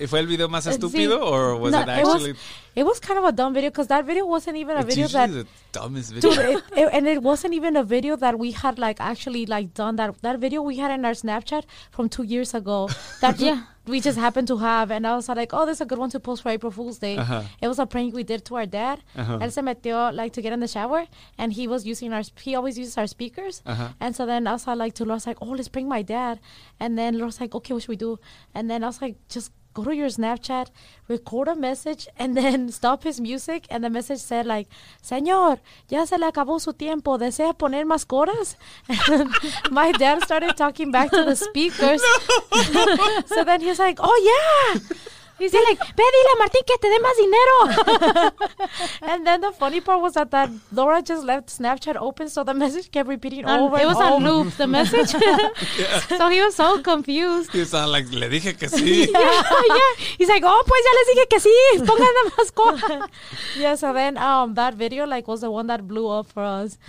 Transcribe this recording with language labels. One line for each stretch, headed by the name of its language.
Spanish: ¿Y fue el video más estúpido
English: or was it actually? It was kind of a dumb video because that video wasn't even a video that... It's the dumbest video. And it wasn't even a video that we had, like, actually, like, done. That video we had in our Snapchat from 2 years ago. We just happened to have, and I was like, oh, this is a good one to post for April Fool's Day. Uh-huh. It was a prank we did to our dad. Uh-huh.
Spanish: Él se metió,
English: like, to get in the shower, and he was using he always uses our speakers. Uh-huh. And so then I was like, to Laura's like, oh, let's prank my dad. And then Laura's like, okay, what should we do? And then I was like, just go to your Snapchat, record a message, and then stop his music. And the message said, like,
Spanish: señor, ya se le acabó su tiempo. ¿Desea poner más coras?
English: And my dad started talking back to the speakers. No. So then he's like, oh, yeah. He's like,
Spanish: pedile a Martín que te dé más dinero.
English: And then the funny part was that Laura just left Snapchat open, so the message kept repeating over and it was home. A loop, the message. Yeah. So he was so confused. He's like,
Spanish: le dije que sí.
English: Yeah. He's like, oh,
Spanish: pues ya les dije que sí. Pongan la mascota.
English: Yeah, so then that video, like, was the one that blew up for us.